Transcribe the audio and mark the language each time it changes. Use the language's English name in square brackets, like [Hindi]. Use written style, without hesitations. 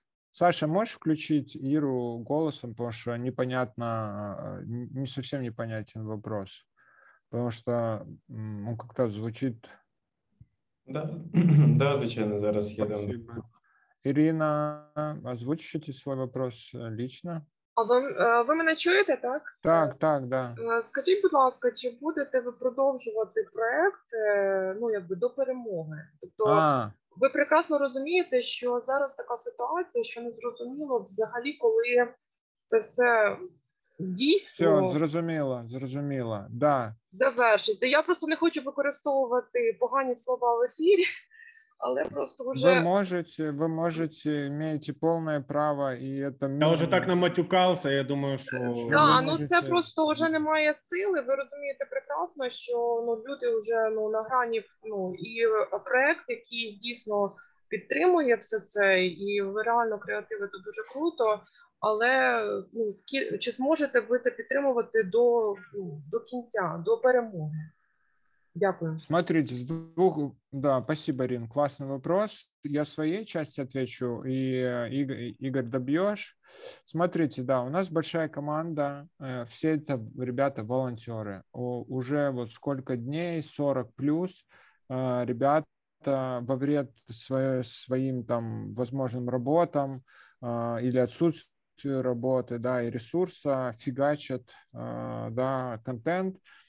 [Russian] Саша, можешь включить Иру голосом, потому что непонятно, не совсем непонятен вопрос. Потому что он как-то звучит. Да, да, звучит, зараз я дам. Спасибо. Ирина, озвучите свой вопрос лично. [Ukrainian] А ви мене чуєте, так? Так, так, да. Скажіть, будь ласка, чи будете ви продовжувати проект, ну, якби до перемоги? Тобто, ви прекрасно розумієте, що зараз така ситуація, що не зрозуміло взагалі, коли це все дійсно. Все, зрозуміло, зрозуміло. Да. Завершиться. Я просто не хочу використовувати погані слова в ефірі. Але просто вже... ви можете, маєте повне право, і це... Я вже так наматюкався, я думаю, що... Так, да, ну можете... це просто вже немає сили, ви розумієте прекрасно, що ну, люди вже ну, на грані, ну, і проєкт, який дійсно підтримує все це, і ви реально креативи, то дуже круто, але ну, чи зможете ви це підтримувати до кінця, до перемоги? Дякую. [Russian] Смотрите, с двух... Да, спасибо, Рин, классный вопрос. Я своей части отвечу, и Игорь добьешь. Смотрите, да, у нас большая команда, все это ребята-волонтеры. Уже вот сколько дней, 40 плюс, ребята во вред своим там возможным работам или отсутствию работы, да, и ресурса фигачат, да, контент.